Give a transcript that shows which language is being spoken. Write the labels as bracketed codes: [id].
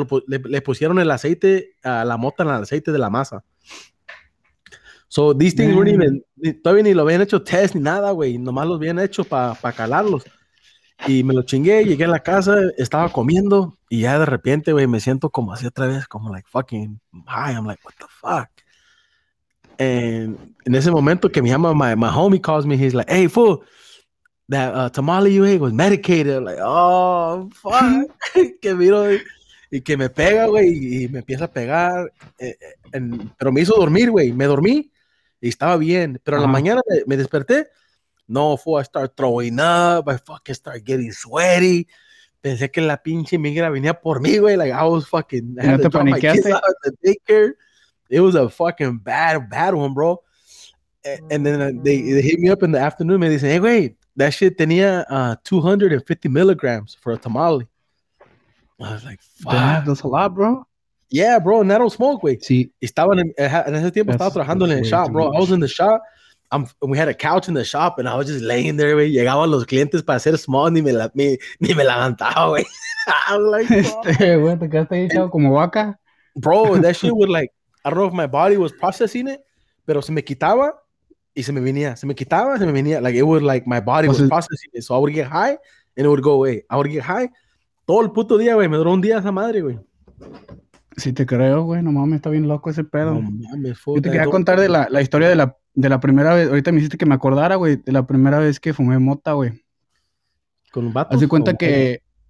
[es] Le pusieron el aceite, la mota en el aceite de la masa. [en] So these things weren't even, [es] todavía ni lo habían hecho test ni nada, güey. Nomás los habían hecho pa calarlos. Y me lo chingué, llegué a la casa, estaba comiendo. Y ya de repente, güey, me siento como así otra vez, como [en] like fucking high. I'm like, what the fuck? And in [es] ese momento que me llama, [en] my homie calls me, he's like, hey, fool, that tamale you ate was medicated. I'm like, oh, fuck. [es] Que miro, y que me pega, güey, y me empieza a pegar. Pero me hizo dormir, güey, me dormí. Y estaba bien, pero en la mañana me desperté. No, fue, [en] I start throwing up, I fucking start getting sweaty. [es] Pensé que la pinche migra venía por mí, güey. [en] Like, I was fucking, I had to drop my kids out of the daycare. It was a fucking bad, bad one, bro. And then they hit me up in the afternoon. [es] Me dicen, [en] hey, güey, that shit [es] tenía [en] 250 milligrams for a tamale. I was like, fuck. That's a lot, bro. Yeah, bro, and I don't smoke, güey. [es] Sí. En ese tiempo estaba trabajando en el shop, bro. [en] I was in the shop. We had a couch in the shop, and I was just laying there, güey. [es] Llegaban los clientes para hacer small, ni me levantaba, güey. [en] I was like, [es] bro. Güey, ¿te quedaste ahí echado como vaca? [en] Bro, that shit would like, I don't know if my body was processing it, [es] pero se me quitaba y se me venía. Se me quitaba y se me venía. [en] Like, it would like, my body was processing it. So I would get high, and it would go away. I would get high. [es] Todo el puto día, güey. Me duró un día esa madre, güey. Sí te creo, güey, no mames, está bien loco ese pedo. Yo te quería contar de la historia de la primera vez, ahorita me hiciste que me acordara, güey, de la primera vez que fumé mota, güey. ¿Con un vato? Haz de cuenta que...